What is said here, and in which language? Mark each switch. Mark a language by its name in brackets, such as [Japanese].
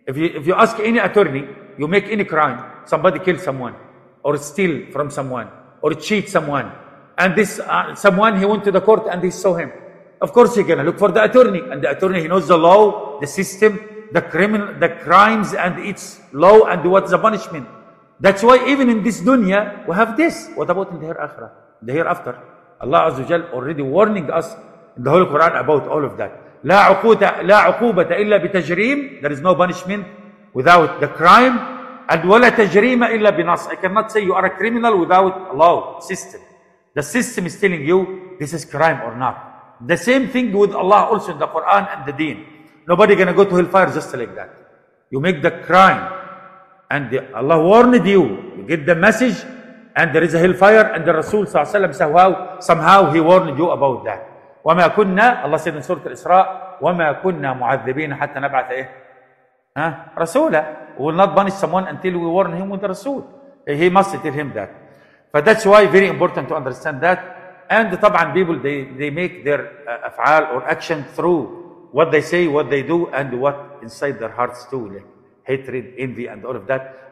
[English] If you ask any attorney, you make any crime, somebody kill someone, or steal from someone, or cheat someone, and this someone, he went to the court and he saw him. Of course, he's going to look for the attorney, and the attorney, he knows the law, the system, the criminal, the crimes and its law and what's the punishment. That's why even in this dunya we have this. What about in the hereafter? The hereafter, Allah Azza wa Jalla already warning us in the Holy Quran about all of that. [Arabic] لا عقوبة لا عقوبة إلا بتجريم. [English] There is no punishment without the crime. And [Arabic] ولا تجريم إلا بنص. [English] I cannot say you are a criminal without law system. The system is telling you this is crime or not. The same thing with Allah also in the Quran and the Deen. Nobody gonna go to hellfire just like that. You make the crime, and Allah warned you. You get the message, and there is a hellfire, and the Rasul [Arabic] صلى الله عليه وسلم [English] somehow he warned you about that. [Arabic] وما كنا الله سيدنا سورة الإسراء وما كنا معذبين حتى نبعث إيه رسولا. [English] Will not punish someone until we warn him with the Rasul. He must tell him that. But that's why very important to understand that. And طبعا people they make their أفعال or action through what they say, what they do, and what inside their hearts too, like hatred, envy, and all of that.